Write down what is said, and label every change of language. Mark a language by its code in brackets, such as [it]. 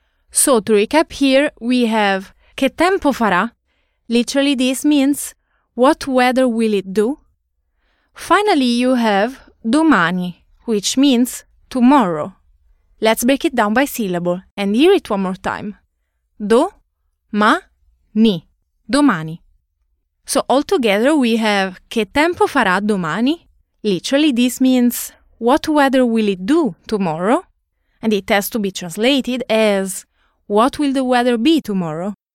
[en] So to recap here, we have [it] che tempo farà? [en] Literally, this means, what weather will it do? Finally, you have domani, which means tomorrow. Let's break it down by syllable and hear it one more time. Do-ma-ni, domani. So, altogether, we have [it] che tempo farà domani? [en] Literally, this means, what weather will it do tomorrow? And it has to be translated as, what will the weather be tomorrow?